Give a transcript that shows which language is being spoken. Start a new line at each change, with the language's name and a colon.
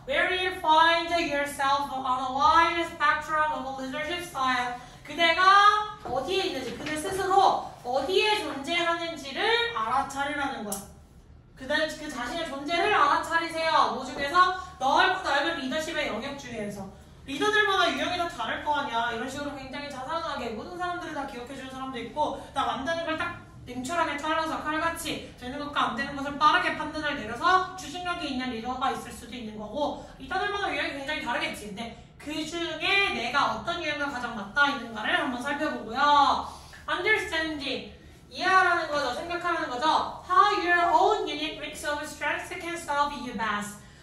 English: Where you find yourself on a wide spectrum of a leadership style.
Korean: 그대가 어디에 있는지, 그대 스스로 어디에 존재하는지를 알아차리라는 거야. 그대 그 자신의 존재를 알아차리세요. 뭐 중에서 넓고 넓은 리더십의 영역 중에서. 리더들마다 유형이 다 다를 거 아니야. 이런 식으로 굉장히 자상하게 모든 사람들을 다 기억해주는 사람도 있고 다 만드는 걸 딱 냉철하게 잘라서 칼같이 되는 것과 안 되는 것을 빠르게 판단을 내려서 추진력이 있는 리더가 있을 수도 있는 거고 리더들마다 유형이 굉장히 다르겠지. 근데 그 중에 내가 어떤 유형과 가장 맞다 있는가를 한번 살펴보고요. Understanding, 이해하라는 거죠. 생각하라는 거죠.
English: How your own unique mix of strengths can serve you best.